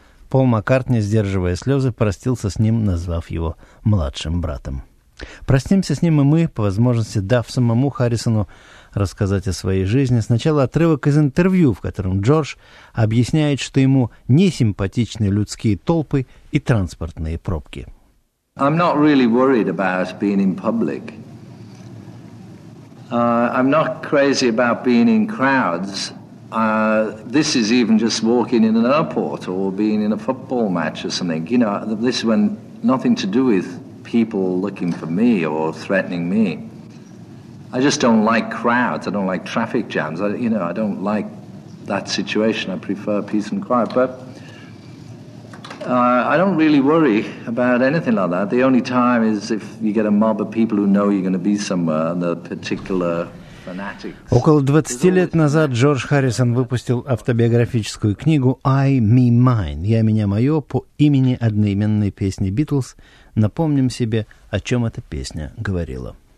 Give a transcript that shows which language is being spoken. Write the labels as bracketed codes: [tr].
[ru] Пол Маккартни, сдерживая слезы, простился с ним, назвав его младшим братом. Простимся с ним и мы, по возможности дав самому Харрисону рассказать о своей жизни. Сначала отрывок из интервью, в котором Джордж объясняет, что ему не симпатичны людские толпы и транспортные пробки. [en] I'm not really worried about being in public. I'm not crazy about being in crowds. This is even just walking in an airport or being in a football match or something. You know, this has nothing to do with people looking for me or threatening me. I just don't like crowds. I don't like traffic jams. I don't like that situation. I prefer peace and quiet. But I don't really worry about anything like that. The only time is if you get a mob of people who know you're going to be somewhere and they're particular fanatics. [ru] Около 20 лет назад Джордж Харрисон выпустил автобиографическую книгу «I, Me, Mine» «Я, меня, мое» по имени одноименной песни «Битлз». Напомним себе, о чем эта песня говорила.